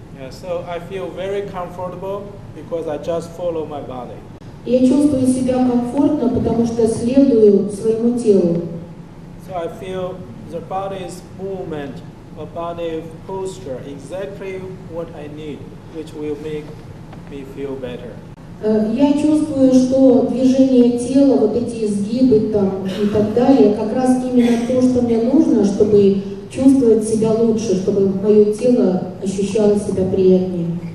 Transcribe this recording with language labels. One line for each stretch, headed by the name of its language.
English: So I feel very comfortable because I just follow my body.
Russian: Я чувствую себя комфортно, потому что следую своему телу.
English: So I feel the body's movement, a body posture, exactly what I need, which will make me feel better.
Russian: Я чувствую, что движение тела, вот эти изгибы там и так далее, как раз именно то, что мне нужно, чтобы чувствовать себя лучше, чтобы мое тело ощущало себя приятнее.